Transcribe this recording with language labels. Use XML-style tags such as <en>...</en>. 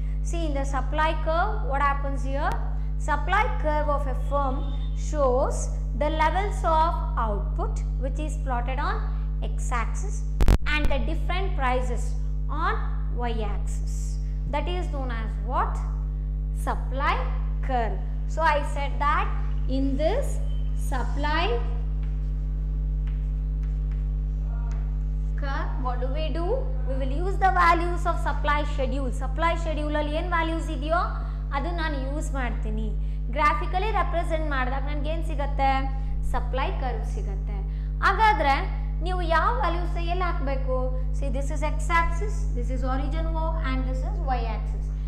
<en>See in the supply curve what happens here, supply curve of a firm shows the levels of output which is plotted on X axis and the different prices on Y axis, that is known as what, supply curve. So I said that in this supply curve, what do we do? We will use the values of supply schedule.</en> <kn>Supply schedule ಅಲ್ಲಿ ಏನು values ಇದೆಯೋ ಅದು ನಾನು use ಮಾಡ್ತೀನಿ. Graphically represent ಮಾಡಿದಾಗ ನನಗೆ ಏನು ಸಿಗತ್ತೆ? ಸಪ್ಲೈ ಕರ್ವ್ ಸಿಗತ್ತೆ. ಹಾಗಾದರೆ ನೀವು ಯಾವ ವ್ಯಾಲ್ಯೂಸ್ ಎಲ್ಲಿ ಹಾಕಬೇಕು?</kn> <en>See this is X axis, this is origin O, and this is Y axis.</en>